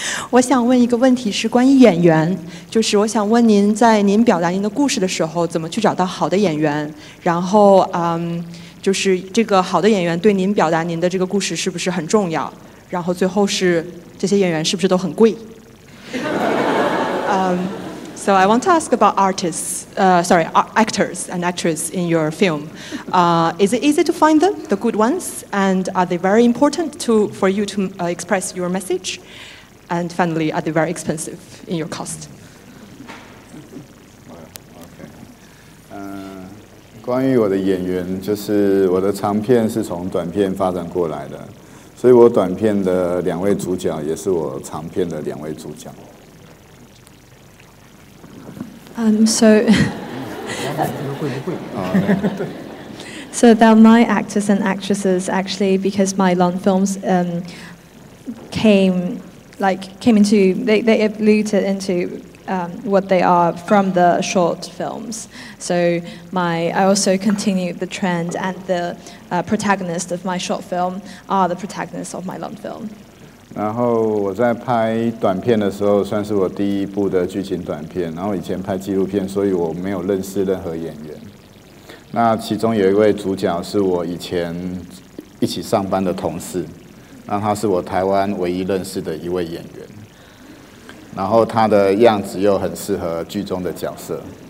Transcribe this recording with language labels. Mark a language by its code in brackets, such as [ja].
[zh] 我想问一个问题，是关于演员，就是我想问您，在您表达您的故事的时候，怎么去找到好的演员？然后，就是这个好的演员对您表达您的这个故事是不是很重要？然后最后是这些演员是不是都很贵？ [en] So I want to ask about actors and actresses in your film. Is it easy to find them, the good ones, and are they very important for you to express your message? And finally, are they very expensive in your cost? Okay. [zh] 关于我的演员，就是我的长片是从短片发展过来的，所以我短片的两位主角也是我长片的两位主角。 [en] So. [zh] 对。 [en] So that my actors and actresses actually, because my long films came into what they are from the short films. So I also continued the trend, and the protagonist of my short film are the protagonists of my long film. [zh] 然后我在拍短片的时候，算是我第一部的剧情短片。然后以前拍纪录片，所以我没有认识任何演员。那其中有一位主角是我以前一起上班的同事。那他是我台湾唯一认识的一位演员，然后他的样子又很适合剧中的角色。